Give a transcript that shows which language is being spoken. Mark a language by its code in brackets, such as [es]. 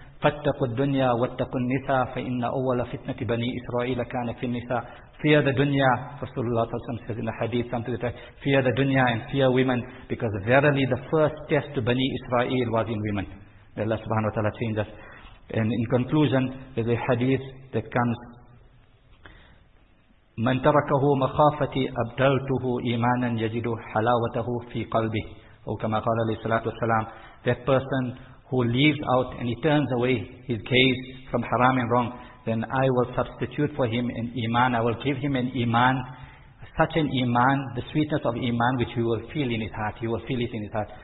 [ar] فَاتَّقُوا الدُّنْيَا وَاتَّقُوا النِّسَى فَإِنَّ أَوَّلَ فِتْنَةِ بَنِي إِسْرَائِيلَ كَانَ فِي النِّسَى. [en] Fear the dunya, Rasulullah says in the hadith, something like that. Fear the dunya and fear women, because verily the first test to Bani Israel was in women. May Allah subhanahu wa ta'ala change us. And in conclusion, there's a hadith that comes, [ar] مَنْ تَرَكَهُ مَخَافَتِي أَبْدَلْتُهُ إِيمَانًا يَجِدُ حَلَاوَتَهُ فِي قَلْبِهِ. وَكَمَا قَالَ عَلَيْهِ الصَّلَاةُ وَالسَّلَامُ, [en] that person who leaves out and he turns away his gaze from haram and wrong, then I will substitute for him an iman. I will give him an iman, such an iman, the sweetness of iman, which he will feel in his heart. He will feel it in his heart.